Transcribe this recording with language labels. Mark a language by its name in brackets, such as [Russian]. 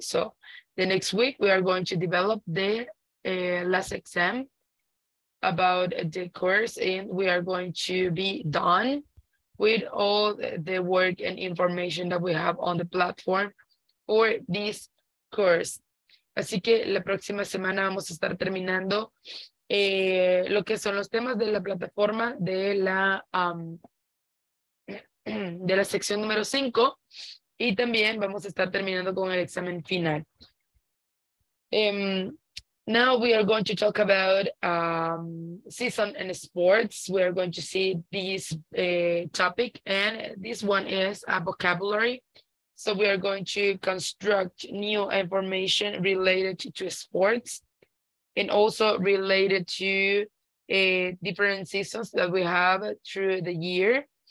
[English] So, the next week, we are going to develop the last exam about the course, and we are going to be done with all the work and information that we have on the platform for this course. [Spanish] Así que la próxima semana vamos a estar terminando lo que son los temas de la plataforma de la sección número 5, y también vamos a estar terminando con el examen final. [English] Now we are going to talk about season and sports. We are going to see this topic, and this one is a vocabulary. So we are going to construct new information related to sports and also related to different seasons that we have through the year.